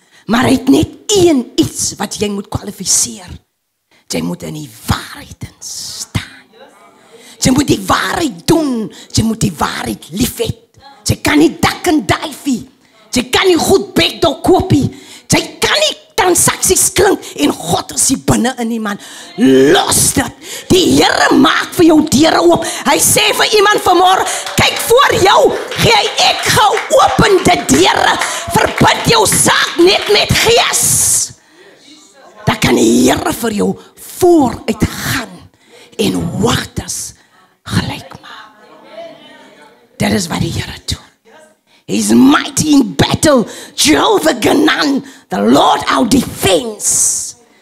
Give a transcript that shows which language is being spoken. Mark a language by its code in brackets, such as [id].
[af] Maar hy het net een iets wat jy moet kwalificeer. Jy moet in die waarheid in staan. Jy moet die waarheid doen. Jy moet die waarheid lief het. Jy kan nie [en] duck and dive. [af] Jy kan nie goed bedel koopie. Jy kan nie transaksies klink, en God is hier binne in die man. Los dit. Die Heere maak vir jou deure oop. Hy sê vir iemand vanmorgen, kyk voor jou, gee ek geopende deure. Verbind jou saak net met gees. Dan kan die Heere vir jou vooruit gaan, en wagtes gelyk maak. Dit is wat die Heere doen. [en] He's mighty in battle, Jehovah genan, the Lord our defense.